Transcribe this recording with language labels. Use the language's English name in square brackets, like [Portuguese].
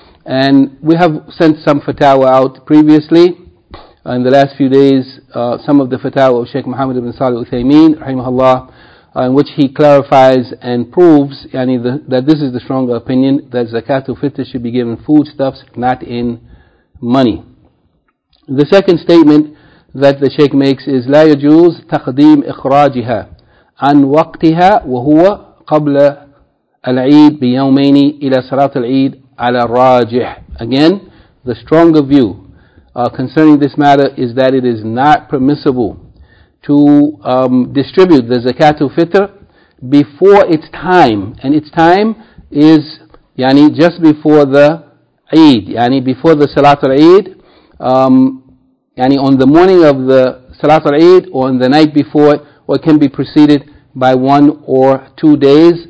[English] And we have sent some fatwa out previously. In the last few days, some of the fatwa of Sheikh Muhammad ibn Salih Uthaymeen, rahimahullah, in which he clarifies and proves that this is the stronger opinion, that zakatul fitr should be given foodstuffs, not in money. The second statement that the Shaykh makes is [Arabic] لا يجوز تقديم إخراجها عن وقتها وهو قبل العيد بيومين إلى صلاة العيد على الراجح. [English] Again, the stronger view concerning this matter is that it is not permissible to distribute the zakatul fitr before its time, and its time is just before the Eid, before the Salatul Eid, on the morning of the Salatul Eid or on the night before it, or it can be preceded by 1 or 2 days.